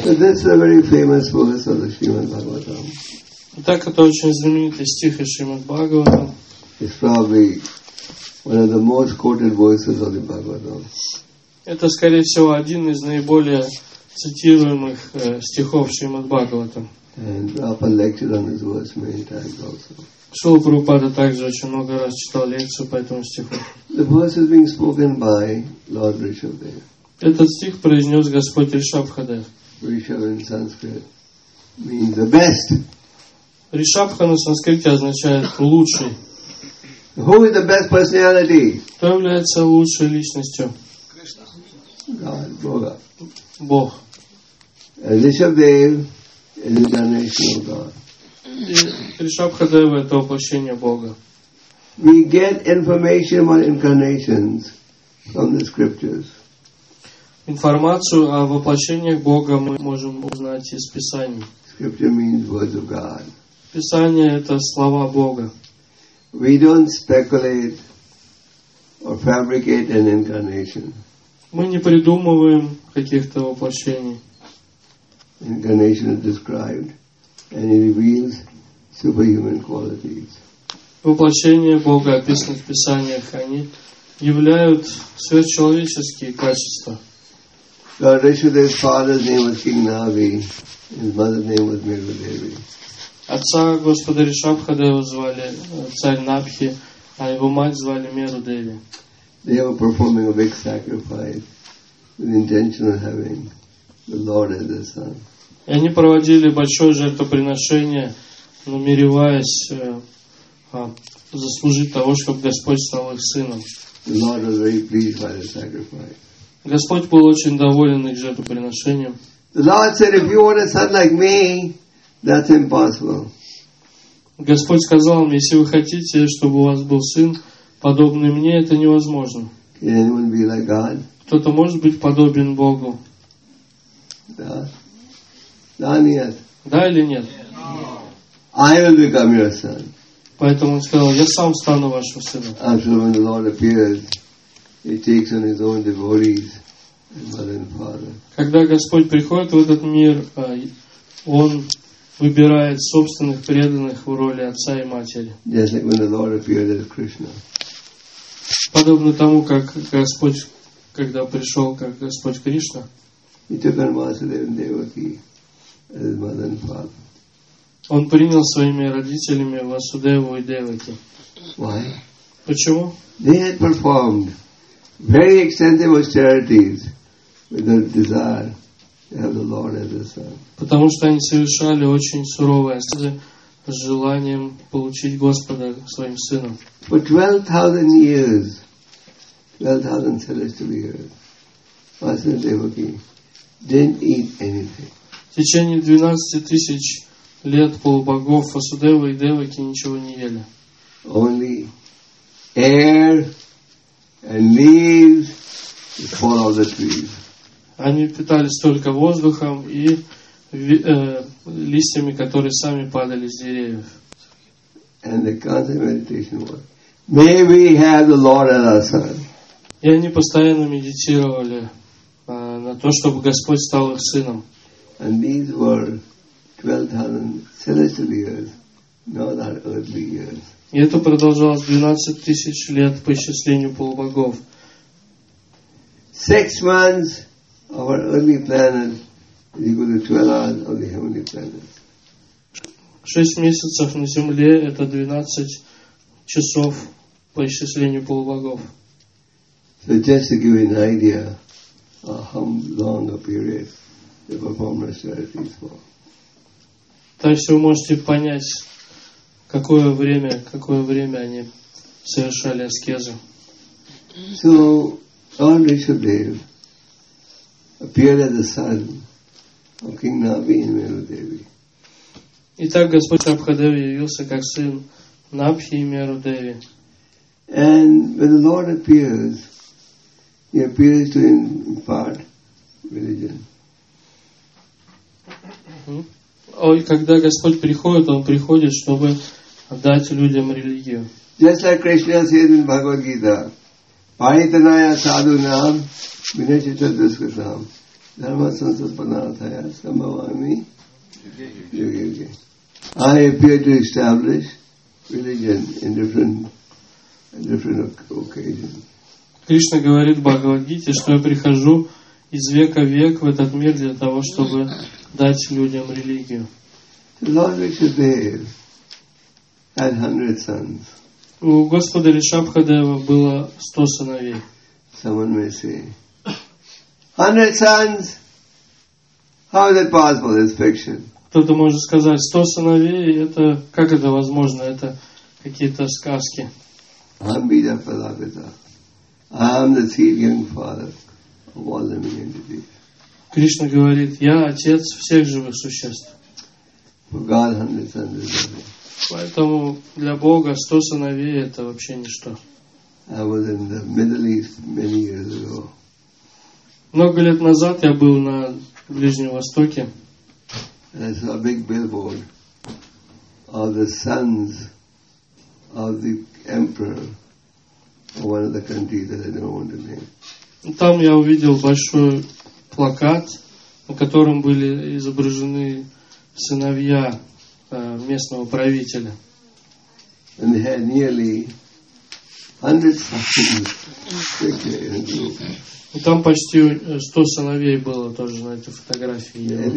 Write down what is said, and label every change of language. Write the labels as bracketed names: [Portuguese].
[English] So this is a very famous verse of the Srimad Bhagavatam. [Russian] Так это очень знаменитый стих из Шримад Бхагаватам. [English] It's probably one of the most quoted verses of the Bhagavatam. [Russian] Это, скорее всего, один из наиболее цитируемых стихов Шримад Бхагаватам. [English] And Prabhupada lectured on this verse many times also. [Russian] Шрила Прабхупада также очень много раз читал лекцию по этому стиху. [English] The verse is being spoken by Lord Rishabhadev. [Russian] Этот стих произнес Господь Ришабхадев. [English] Rishabh in Sanskrit means the best. [Russian] Ришабха на санскрите означает лучший. [English] Who is the best personality? [Russian] Кто является лучшей личностью? [English] God, [Russian] Бога. Бог. [English] Ришабхадев is the incarnation of God. [Russian] Ришабхадев это воплощение Бога. [English] We get information about incarnations from the scriptures. [Russian] Информацию о воплощении Бога мы можем узнать из Писаний. [English] Scripture means words of God. [Russian] Писание это слова Бога. [English] We don't speculate or fabricate an incarnation. [Russian] Мы не придумываем каких-то воплощений. [English] Incarnation is described and it reveals superhuman qualities. [Russian] Воплощение Бога описано в Писаниях, они являют сверхчеловеческие качества. [English] Lord Rishabhadev's father's name was King Navi, his mother's name was Mirudevi. [Russian] Отца Господа Ришабхадева звали царь Набхи, а его мать звали Меру Деви. [English] They were performing a big sacrifice with intention of having the Lord as their son. [Russian] И они проводили большое жертвоприношение, намереваясь заслужить того, чтобы Господь стал их сыном. [English] The Lord was very pleased by the sacrifice. [Russian] Господь был очень доволен их жертвоприношением. [English] The Lord said, if you want a son like me, that's impossible. [Russian] Господь сказал им, если вы хотите, чтобы у вас был сын подобный мне, это невозможно. [English] Can anyone be like God? [Russian] Кто-то может быть подобен Богу? Да. Да, нет. Да или нет? [English] No. I will become your son. [Russian] Поэтому он сказал, я сам стану вашим сыном. [English] After when the Lord appears, he takes on his own devotees, mother and father. [Russian] Когда Господь приходит в этот мир, он выбирает собственных преданных в роли отца и матери. [English] Just like when the Lord appeared as Krishna. [Russian] Подобно тому, как Господь, когда пришел, как Господь Кришна. [English] He took on Vasudeva and Devaki as mother and father. [Russian] Он принял своими родителями Васудеву и Деваки. [English] Why? [Russian] Почему? [English] They had performed very extensive austerities with the desire. [Russian] Потому что они совершали очень суровое с желанием получить Господа своим сыном. [English] For 12,000 years, 12,000 celestial years, Vasudeva Devaki didn't eat anything. [Russian] в течение 12 тысяч лет полубогов Васудева и Деваки ничего не ели. [English] Only air and leaves follow the trees. [Russian] Они питались только воздухом и листьями, которые сами падали с деревьев. [English] And the constant meditation was, may we have the Lord at our side. [Russian] И они постоянно медитировали на то, чтобы Господь стал их сыном. [English] And these were 12,000 celestial years, not our earthly years. [Russian] И это продолжалось 12 тысяч лет по исчислению полубогов. [English] 6 months of our earthly planet is equal to 12 hours of the heavenly planet. [Russian] 6 месяцев на Земле это 12 часов по исчислению полубогов. [English] So just to give you an idea of how long a period the performance strategy is for. [Russian] Так что вы можете понять, какое время они совершали аскезу. [English] So Lord Rishabdev appeared as the son of King Nabi and Meru Devi. [Russian] Итак, Господь Шабхадев явился как сын Набхи и Меру Деви. [English] And when the Lord appears, he appears to impart religion. [Russian] И когда Господь приходит, Он приходит, чтобы дать людям религию. [English] Just like Krishna says in Bhagavad Gita, [Sanskrit] Paritanaya Sadhunam, Vinachita Duskatam, Dharma Sansapanathaya, Sambhavami, Yogi Yogi. [English] I appear to establish religion in different occasions. [Russian] Кришна говорит в Бхагавад-гите, что я прихожу из века в век в этот мир для того, чтобы дать людям религию. [English] Lord Rishabdev had 100 sons. [Russian] У Господа Ришабхадева было 100 сыновей. [English] Someone may say, 100 sons? How is it possible, this fiction? [Russian] Кто-то может сказать, 100 сыновей, это как это возможно? Это какие-то сказки. [English] I'm Bija Pradapita. I'm the seed young father of all living entities. [Russian] Кришна говорит, я отец всех живых существ. [English] For God, 100 sons is nothing. [Russian] Поэтому для Бога 100 сыновей это вообще ничто. [English] I was in the Middle East many years ago. [Russian] Много лет назад я был на Ближнем Востоке. [English] And I saw a big billboard of the sons of the emperor of one of the countries that I don't want to name. [Russian] Там я увидел большой плакат, на котором были изображены сыновья местного правителя. [English] And they had nearly 100 sons. [Russian] И там почти 100 сыновей было тоже на этой фотографии.